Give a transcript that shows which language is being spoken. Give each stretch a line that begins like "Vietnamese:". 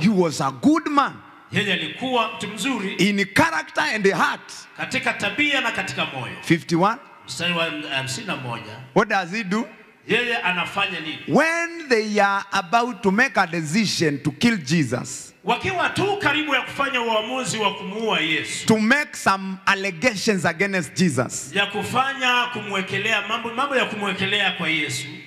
English: He was a good man.
Swahili: Yeye alikuwa mtu mzuri.
English: In character and heart.
Swahili: Katika tabia na katika moyo.
English: 51.
Swahili: Mstari wa 51.
English: What does he do?
Swahili: Yeye anafanya nini?
English: When they are about to make a decision to kill Jesus.
Swahili: Wakiwa tu karibu ya kufanya uamuzi wa kumuua Yesu.
English: To make some allegations against Jesus.
Swahili: Ya kufanya kumwekelea mambo ya kumwekelea kwa Yesu.